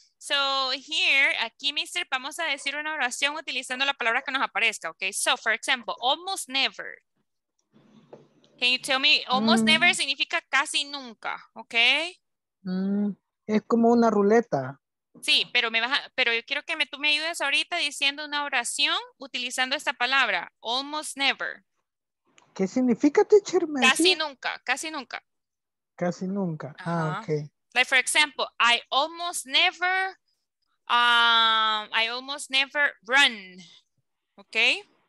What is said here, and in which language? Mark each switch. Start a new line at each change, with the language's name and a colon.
Spanish: So here, aquí, mister, vamos a decir una oración utilizando la palabra que nos aparezca, okay?
English: So, for example, almost never. Can you tell me, almost never
Spanish: significa casi nunca,
English: okay?
Spanish: Es como una ruleta. Sí, pero me vas a, pero yo quiero que me, tú me ayudes ahorita diciendo una oración utilizando esta palabra, almost never. ¿Qué significa, teacher? Casi nunca, casi nunca. Casi nunca, ah, okay.
English: Like, for example, I almost never run, okay?